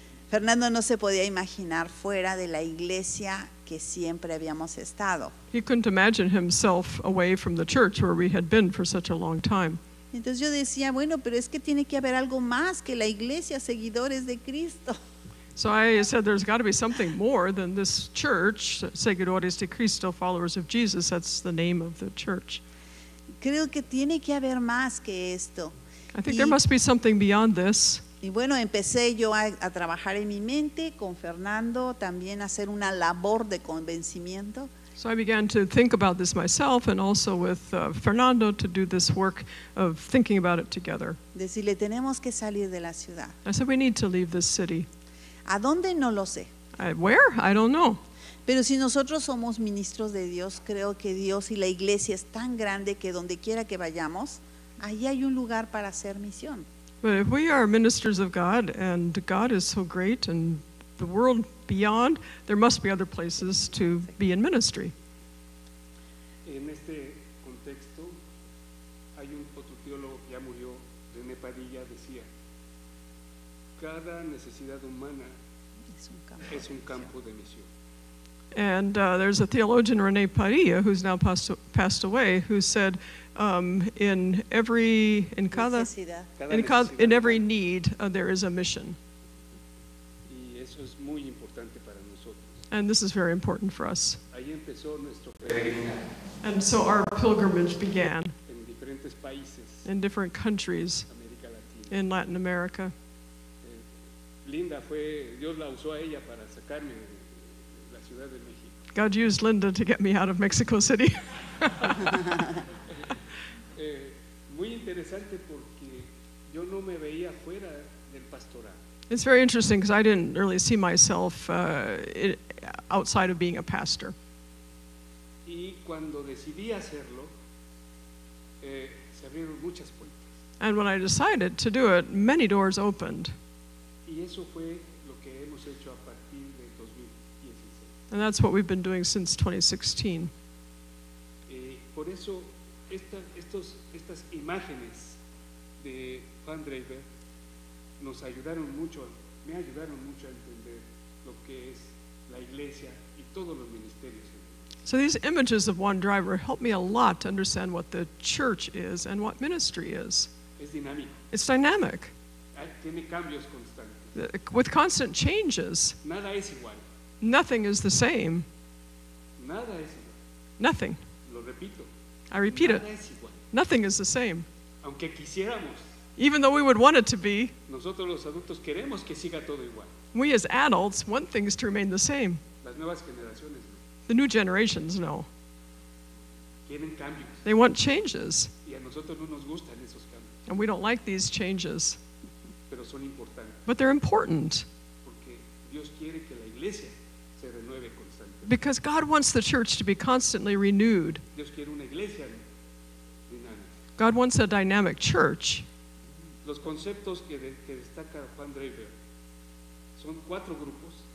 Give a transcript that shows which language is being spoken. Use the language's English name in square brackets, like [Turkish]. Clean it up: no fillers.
[Spanish] Fernando no se podía imaginar fuera de la iglesia que siempre habíamos estado. [English] He couldn't imagine himself away from the church where we had been for such a long time. [Spanish] Entonces yo decía, bueno, pero es que tiene que haber algo más que la iglesia, seguidores de Cristo. [English] So I said, there's got to be something more than this church, [Spanish] seguidores de Cristo, [English] followers of Jesus, that's the name of the church. [Spanish] Creo que tiene que haber más que esto. [English] I think there must be something beyond this. [Spanish] Y bueno, empecé yo a trabajar en mi mente con Fernando, también hacer una labor de convencimiento. [English] So I began to think about this myself and also with Fernando to do this work of thinking about it together. [Spanish] Decirle, tenemos que salir de la ciudad. [English] I said, we need to leave this city. [Spanish] ¿A dónde? No lo sé. [English] Where? I don't know. [Spanish] Pero si nosotros somos ministros de Dios, creo que Dios y la iglesia es tan grande que donde quiera que vayamos, ahí hay un lugar para hacer misión. [English] But if we are ministers of God and God is so great and the world beyond, there must be other places to be in ministry. [Spanish] En este contexto, hay un otro teólogo que ya murió, René Padilla, decía, cada necesidad humana es un campo de misión. [English] And there's a theologian, René Padilla, who's now passed away, who said, in every need, there is a mission. [Spanish] Y eso es muy importante para nosotros. [English] And this is very important for us. [Spanish] Ahí empezó nuestro peregrinaje. [English] And so our pilgrimage began [Spanish] en diferentes países, [English] in different countries [Spanish] América Latina. [English] In Latin America. [Spanish] Linda fue, Dios la usó a ella para sacarme de la Ciudad de México. [English] God used Linda to get me out of Mexico City. [Spanish] Muy interesante porque yo no me veía fuera del pastoral. [English] It's very interesting because I didn't really see myself outside of being a pastor. [Spanish] Y cuando decidí hacerlo, se abrieron muchas puertas. [English] And when I decided to do it, many doors opened. [Spanish] Y eso fue lo que hemos hecho a partir de 2016. [English] And that's what we've been doing since 2016. [Spanish] Por eso estas imágenes de Juan Draper nos ayudaron mucho, me ayudaron mucho a entender lo que es la iglesia y todos los ministerios. [English] So these images of Juan Draper helped me a lot to understand what the church is and what ministry is. [Spanish] Es dinámico. [English] It's dynamic. [Spanish] Tiene cambios constantes. [English] With constant changes. [Spanish] Nada es igual. [English] Nothing is the same. [Spanish] Nada es igual. [English] Nothing. [Spanish] Lo repito. [English] I repeat [Spanish] Nada [English] it. Nothing is the same. [Spanish] Aunque quisiéramos, [English] even though we would want it to be, [Spanish] nosotros los adultos queremos que siga todo igual. [English] We as adults want things to remain the same. [Spanish] Las nuevas generaciones, no. [English] The new generations, no. [Spanish] Quieren cambios. [English] They want changes. [Spanish] Y a nosotros no nos gustan esos cambios. [English] And we don't like these changes. [Spanish] Pero son importantes. [English] But they're important. [Spanish] Porque Dios quiere que la iglesia se renueve con [English] Because God wants the church to be constantly renewed. [Spanish] Dios quiere una iglesia dinámica. [English] God wants a dynamic church. [Spanish] Los conceptos que destaca Juan Draper son cuatro grupos.